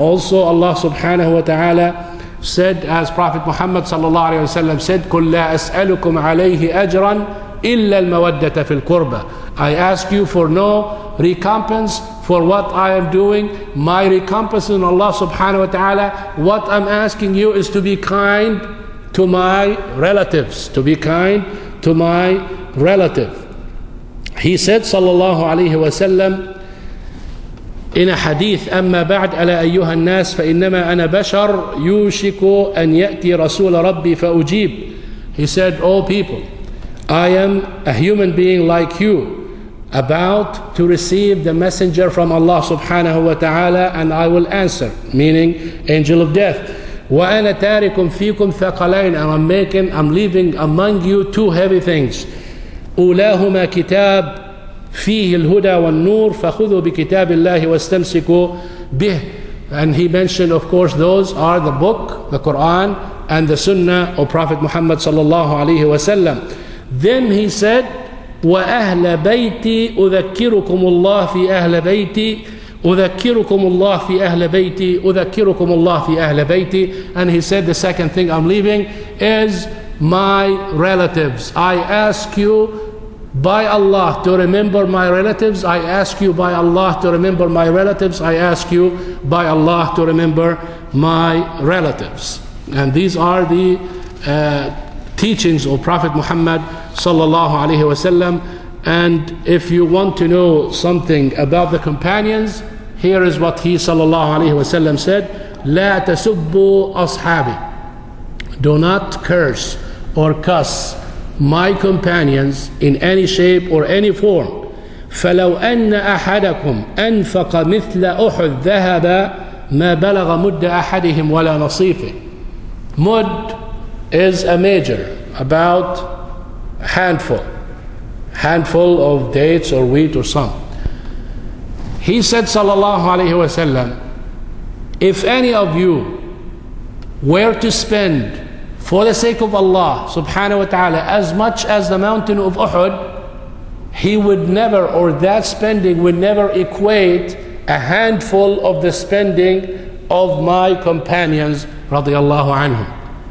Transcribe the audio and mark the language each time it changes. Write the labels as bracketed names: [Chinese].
[English] Also Allah subhanahu wa ta'ala said, as Prophet Muhammad sallallahu alayhi wa sallam said, [Arabic] قُلْ لَا أَسْأَلُكُمْ عَلَيْهِ أَجْرًا إِلَّا الْمَوَدَّةَ فِي الْقُرْبَةِ. [English] I ask you for no recompense for what I am doing. My recompense in Allah subhanahu wa ta'ala, what I'm asking you is to be kind to my relatives. To be kind to my relative. He said sallallahu alayhi wa sallam in a hadith, [Arabic] أما بعد على أيها الناس فإنما أنا بشر يوشك أن يأتي رسول ربي فأجيب. [English] He said, O people, I am a human being like you, about to receive the messenger from Allah subhanahu wa ta'ala, and I will answer, meaning angel of death. [Arabic] وأنا تارك فيكم ثقلين, [English] and I'm leaving among you two heavy things. [Arabic] أولاهما كتاب فيه الهدى والنور فخذوا بكتاب الله واستمسكوا به. [English] And he mentioned, of course, those are the book, the Quran, and the Sunnah of Prophet Muhammad sallallahu alaihi wasallam. Then he said, [Arabic] وأهل بيتي أذكركم الله في أهل بيتي أذكركم الله في أهل بيتي أذكركم الله في أهل بيتي. [English] And he said, the second thing I'm leaving is my relatives. I ask you by Allah to remember my relatives. I ask you by Allah to remember my relatives. I ask you by Allah to remember my relatives. And these are the teachings of Prophet Muhammad sallallahu alaihi wasallam. And if you want to know something about the companions, here is what he sallallahu alaihi wasallam said: [Arabic] لا تسبوا أصحابي. [English] Do not curse or cuss my companions in any shape or any form. [Arabic] فلو أن أحدكم أنفق مثل أحد ذهب ما بلغ مد أحدهم ولا نصيفه. [English] Mud is a measure, about a handful. Handful of dates or wheat or some. He said, sallallahu alayhi wa sallam, if any of you were to spend for the sake of Allah subhanahu wa ta'ala as much as the mountain of Uhud, he would never, or that spending would never equate a handful of the spending of my companions radiyallahu anhum.